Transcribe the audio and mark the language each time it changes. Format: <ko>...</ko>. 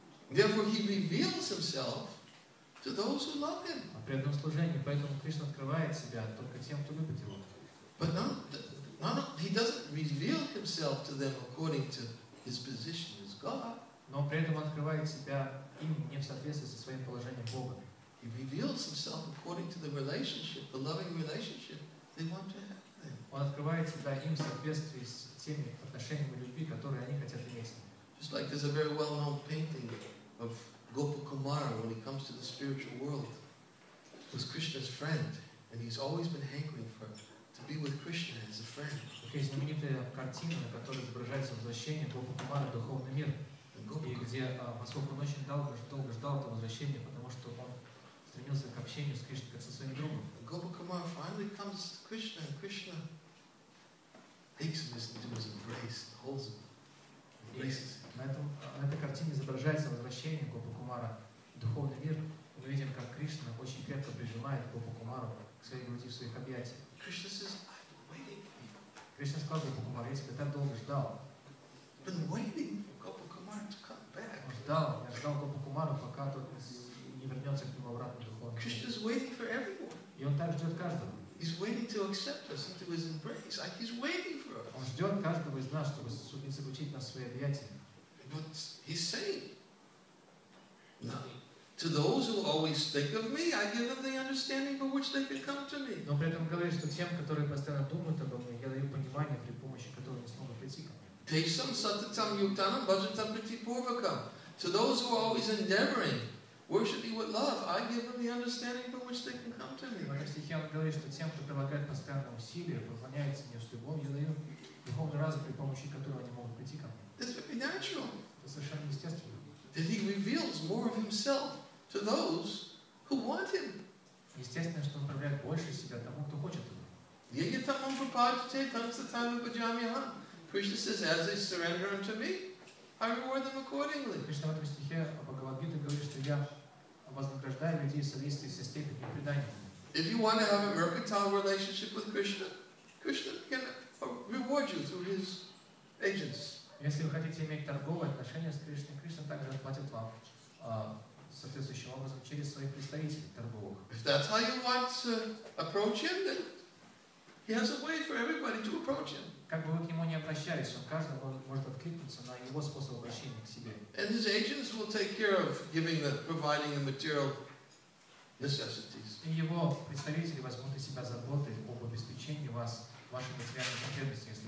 <en>Therefore, he reveals himself to those who love him.</en> <ru>О преданном служении, поэтому Кришна открывает себя только тем, кто любит его.</ru> <en>But he doesn't reveal himself to them according to his position as God.</en> <ru>Но при этом открывает себя им не в соответствии со своим положением Бога.</ru> <en>He reveals himself according to the relationship, the loving relationship they want to have.</en> <ru>Он открывает себя им в соответствии с теми отношениями любви, которые они хотят иметь.</ru> <en>Just like there's a very well-known painting of Gopakumara when he comes to the spiritual world, who's Krishna's friend, and he's always been hankering for to be with Krishna as a friend.</en> <ru>Okay, знаменитая картина, на которой изображается возвращение Гопакумары в духовный мир, и где поскольку он очень долго ждал этого возвращения, потому что он стремился к общению с Кришной, как со своим другом.</ru> <en>Gopakumara finally comes to Krishna, and Krishna takes him into his embrace, holds him, embraces him.</en> <ru>На этой картине изображается возвращение Гопакумара в духовный мир. Мы видим, как Кришна очень крепко прижимает Гопакумару к своей груди в своих объятиях.</ru> <en>Krishna says, I've been waiting for you.</en> <ru>Кришна сказал Гопакумару, я тебя так долго ждал.</ru> <en>I've been waiting for Gopakumara to come back.</en> <ru>Я ждал Гопакумару, пока тот не вернется к нему обратно в духовный мир.</ru> <en>Krishna is waiting for everyone.</en> <ru>И он так ждет каждого.</ru> <en>He's waiting to accept us into his embrace. Like he's waiting for us.</en> <ru>Он ждет каждого из нас, чтобы заключить нас в свои объятия.</ru> <en>But he's saying, no. To those who always think of me, I give them the understanding by which they can come to me.</en> <ru>Но при этом говорит, что тем, которые постоянно думают обо мне, я даю понимание, при помощи которого они смогут прийти ко мне.</ru> <sa>Тейсам сататам юктанам баджатам притипурвакам.</sa> <en>To those who are always endeavoring, worshiping with love, I give them the understanding by which they can come to me.</en> <ru>В моих стихах говорит, что тем, кто прилагает постоянное усилие, поклоняется мне с любовью, я даю духовный разум, при помощи которого они могут прийти ко мне.</ru> <en>That's very natural.</en> <ru>Это совершенно естественно.</ru> <en>That he reveals more of himself to those who want him.</en> <ru>Естественно, что он проявляет больше себя тому, кто хочет его.</ru> <sa>Yayatam prapajate tamsatama bhajamyaham.</sa> <en>Krishna says, as they surrender unto me, I reward them accordingly.</en> <ru>Кришна в этом стихе о Бхагавад Гите говорит, что я вознаграждаю людей в соответствии со степенью предания.</ru> <en>If you want to have a mercantile relationship with Krishna, Krishna can reward you through his agents.</en> <ru>Если вы хотите иметь торговые отношения с Кришной, Кришна также отплатит вам соответствующим образом через своих представителей торговых.</ru> <en>If that's how you want to approach him, then he has a way for everybody to approach him.</en> <ru>Как бы вы к нему не обращались, он каждый может откликнуться на его способ обращения к себе.</ru> <en>And his agents will take care of giving the providing the material necessities.</en> <ru>И его представители возьмут на себя заботы об обеспечении вас вашими материальными потребностями.</ru>